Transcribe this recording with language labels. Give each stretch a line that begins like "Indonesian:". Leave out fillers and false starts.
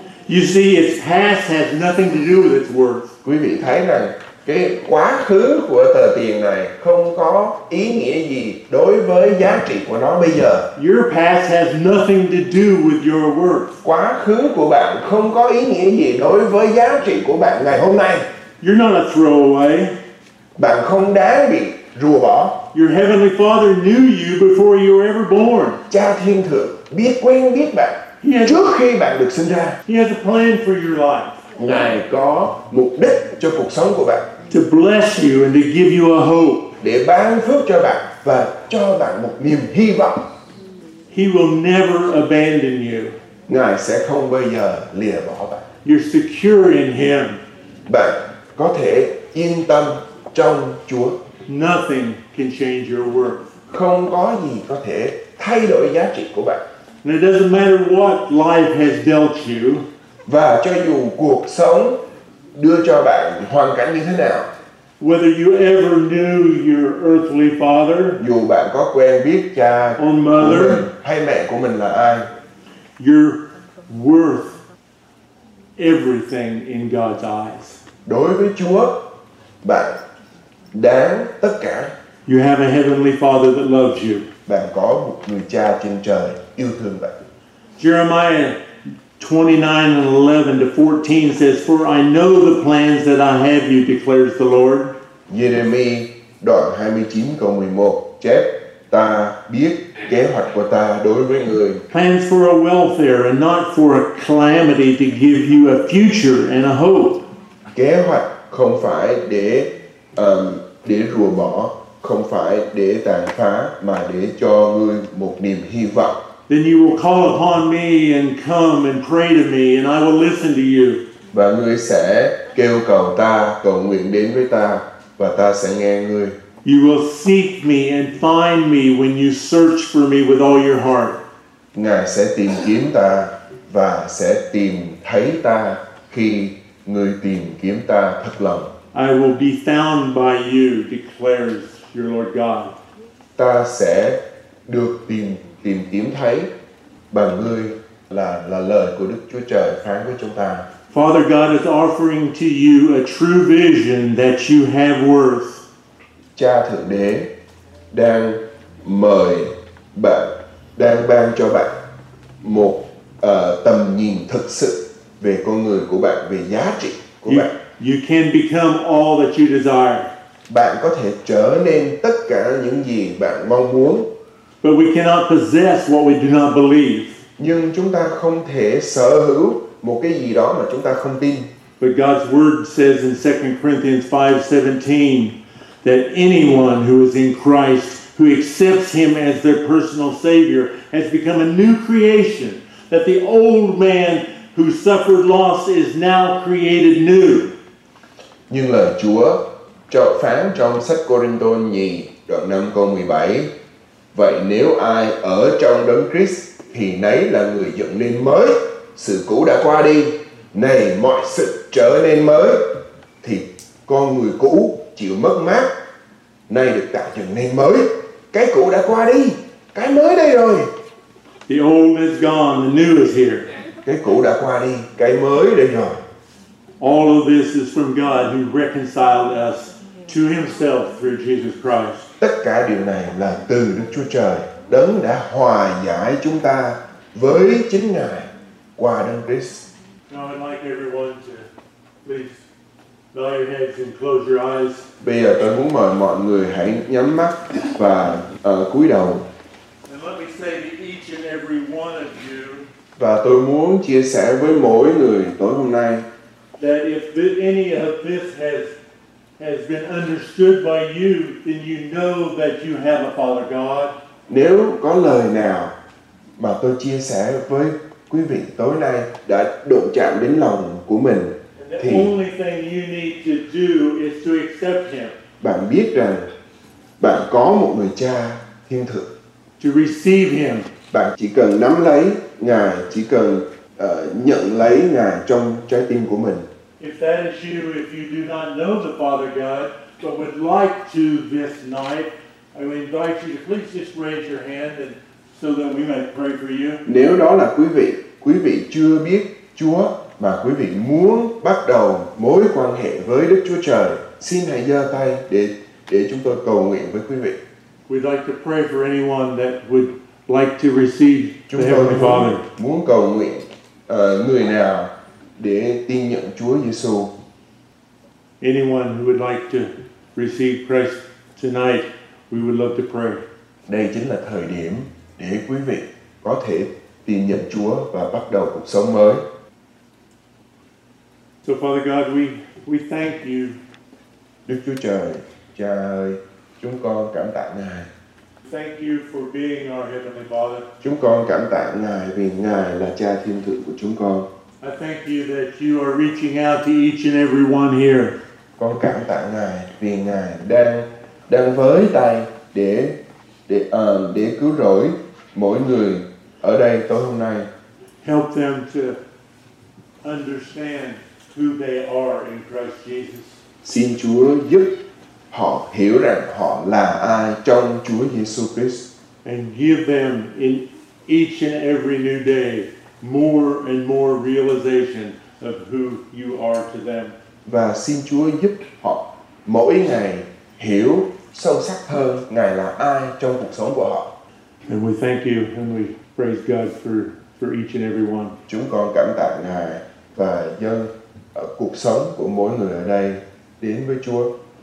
English: You see, its past has nothing to do with its worth.
Vietnamese: Quý vị thấy rằng cái quá khứ của tờ tiền này không có ý nghĩa gì đối với giá trị của nó bây giờ.
English: Your past has nothing to do with your worth.
Vietnamese: Quá khứ của bạn không có ý nghĩa gì đối với giá trị của bạn ngày hôm nay.
English: You're not a throwaway.
Vietnamese: Bạn không đáng bị Chúa bảo,
English: your heavenly Father knew you before you were ever born.
Vietnamese: Cha thiên thượng biết quen biết bạn trước khi bạn được sinh ra.
English: He has a plan for your life.
Vietnamese: Ngài có mục đích cho cuộc sống của bạn.
English: To bless you and to give you a hope.
Vietnamese: Để ban phước cho bạn và cho bạn một niềm hy vọng.
English: He will never abandon you.
Vietnamese: Ngài sẽ không bao giờ lìa bỏ bạn.
English: You're secure in Him.
Vietnamese: Bạn có thể yên tâm trong Chúa.
English: Nothing can change your worth.
Vietnamese: Không có gì có thể thay đổi giá trị của bạn.
English: And it doesn't matter what life has dealt you.
Vietnamese: Và cho dù cuộc sống đưa cho bạn hoàn cảnh như thế nào,
English: whether you ever knew your earthly father,
Vietnamese: dù bạn có quen biết cha
English: or mother,
Vietnamese: hay mẹ của mình là ai,
English: you're worth everything in God's eyes.
Vietnamese: Đối với Chúa, bạn đáng tất cả.
English: You have a heavenly Father that loves you.
Vietnamese: Bạn có một người cha trên trời yêu thương bạn.
English: Jeremiah 29:11-14 says, "For I know the plans that I have you," declares the Lord.
Vietnamese: Jeremiah đoạn 29 câu 11 chép, "Ta biết kế hoạch của ta đối với người."
English: Plans for a welfare and not for a calamity to give you a future and a hope.
Vietnamese: Kế hoạch không phải để rùa bỏ, không phải để tàn phá, mà để cho ngươi một niềm hy vọng.
English: Then you will call upon me and come and pray to me and I will listen to you.
Vietnamese: Và ngươi sẽ kêu cầu ta, cầu nguyện đến với ta và ta sẽ nghe ngươi.
English: You will seek me and find me when you search for me with all your heart.
Vietnamese: Ngài sẽ tìm kiếm ta và sẽ tìm thấy ta khi ngươi tìm kiếm ta thật lòng.
English: I will be found by you, declares your Lord God.
Vietnamese: Ta sẽ được tìm kiếm thấy bằng ngươi là lời của Đức Chúa Trời phán với chúng ta.
English: Father God is offering to you a true vision that you have worth.
Vietnamese: Cha Thượng Đế đang mời bạn, đang ban cho bạn một tầm nhìn thực sự về con người của bạn, về giá trị của bạn.
English: You can become all that you desire.
Vietnamese: Bạn có thể trở nên tất cả những gì bạn mong muốn.
English: But we cannot possess what we do not believe.
Vietnamese: Nhưng chúng ta không thể sở hữu một cái gì đó mà chúng ta không tin.
English: But God's word says in 2 Corinthians 5:17 that anyone who is in Christ, who accepts Him as their personal Savior, has become a new creation. That the old man who suffered loss is now created new.
Vietnamese: Nhưng lời Chúa cho phán trong sách Cô-rinh-tô nhì đoạn 5:17, vậy nếu ai ở trong Đấng Christ thì nấy là người dựng nên mới, sự cũ đã qua đi, nay mọi sự trở nên mới, thì con người cũ chịu mất mát, nay được tạo dựng nên mới. Cái cũ đã qua đi, cái mới đây rồi.
English: The old is gone, the new is here.
Vietnamese: Cái cũ đã qua đi, cái mới đây rồi.
English: All of this is from God who reconciled us to Himself through Jesus Christ.
Vietnamese: Tất cả điều này là từ Đức Chúa Trời, Đấng đã hòa giải chúng ta với chính Ngài qua Đấng Christ.
English: Now I'd like everyone to please bow your heads and close your eyes.
Vietnamese: Bây giờ tôi muốn mời mọi người hãy nhắm mắt và cúi đầu.
English: And let me say to each and every one of you.
Vietnamese: Và tôi muốn chia sẻ với mỗi người tối hôm nay.
English: That if any of this has been understood by you, then you know that you have a Father God.
Vietnamese: Nếu có lời nào mà tôi chia sẻ với quý vị tối nay đã đụng chạm đến lòng của mình, thì
English: only thing you need to do is to accept Him.
Vietnamese: Bạn biết rằng bạn có một người cha thiên thượng.
English: To receive Him.
Vietnamese: Bạn chỉ cần nắm lấy Ngài, chỉ cần nhận lấy Ngài trong trái tim của mình.
English: If that is you, if you do not know the Father God, but would like to this night, I would invite you to please just raise your hand and so that we may pray for you.
Vietnamese: Nếu đó là quý vị chưa biết Chúa mà quý vị muốn bắt đầu mối quan hệ với Đức Chúa Trời, xin hãy giơ tay để chúng tôi cầu nguyện với quý vị.
English: We'd like to pray for anyone that would like to receive
Vietnamese: chúng
English: the Heavenly Father.
Vietnamese: Muốn cầu nguyện người nào để tin nhận Chúa Giêsu.
English: Anyone who would like to receive Christ tonight, We would love to pray.
Vietnamese: Đây chính là thời điểm để quý vị có thể tin nhận Chúa và bắt đầu cuộc sống mới.
English: So Father God, we thank you.
Vietnamese: Đức Chúa Trời, Cha ơi, chúng con cảm tạ Ngài.
English: Thank you for being our heavenly Father.
Vietnamese: Chúng con cảm tạ Ngài vì Ngài là Cha thiên thượng của chúng con.
English: I thank you that you are reaching out to each and every one here.
Vietnamese: Con cảm tạ Ngài vì Ngài đang với tay để cứu rỗi mỗi người ở đây tối hôm nay.
English: Help them to understand who they are in Christ Jesus.
Vietnamese: Xin Chúa giúp họ hiểu rằng họ là ai trong Chúa Jesus Christ.
English: And give them in each and every new day more and more realization of who you are to them.
Vietnamese: Và xin Chúa giúp họ mỗi ngày hiểu sâu sắc hơn Ngài là ai trong cuộc sống của họ.
English: And we thank you and we praise God for each and every one.
Vietnamese: Chúng con cảm tạ Ngài và dâng cuộc sống của mỗi người ở đây đến với Chúa.